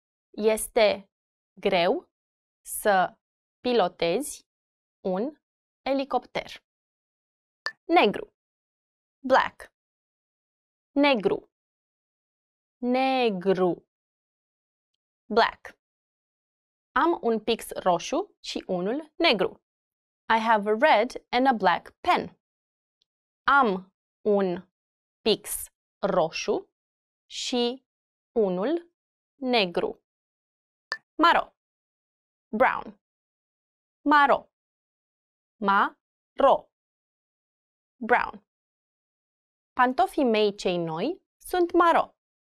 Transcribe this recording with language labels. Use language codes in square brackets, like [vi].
[ro] Este greu să pilotezi un helicopter. Negru. Black. Negru. Negru. Black. Am un pix roșu și unul negru. [en] I have a red and a black pen. [ro] Am un pix roșu și unul negru. Maro. Brown. Maro. Ma-ro. Brown. Pantofii mei cei noi sunt maro.